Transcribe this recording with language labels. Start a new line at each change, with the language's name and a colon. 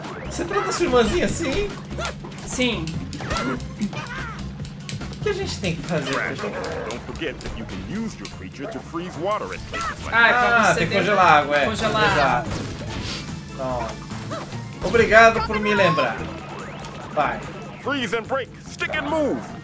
Portuguese: Você trata sua irmãzinha assim? Sim. O que a gente tem que fazer?
English: Don't forget that you can use your creature to freeze water in cases like that.
Portuguese: Ah, tem que congelar água, é. Congelar. Exato. Obrigado por me lembrar. Vai.
English: Freeze and break. Stick and move.